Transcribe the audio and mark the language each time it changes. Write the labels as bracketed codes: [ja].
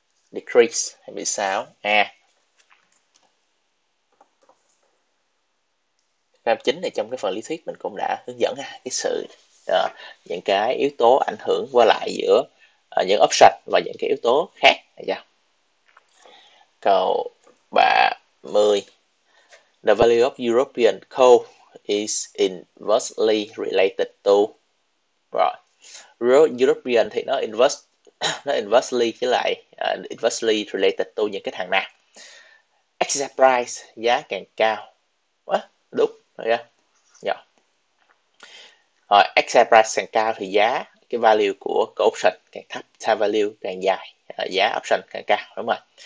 [en] Decrease 26. A. [vi] 29 này trong cái phần lý thuyết mình cũng đã hướng dẫn cái sự những cái yếu tố ảnh hưởng qua lại giữa những option và những cái yếu tố khác. Câu 30. [en] The value of European coal is inversely related to right. [vi] European thì nó inversely với lại [en] inversely related to [vi] những cái thằng nào? Exercise price giá càng cao. Quá đúng. Rồi, exercise price càng cao thì giá cái value của cổ option càng thấp, time value càng dài, giá option càng cao, đúng không ạ?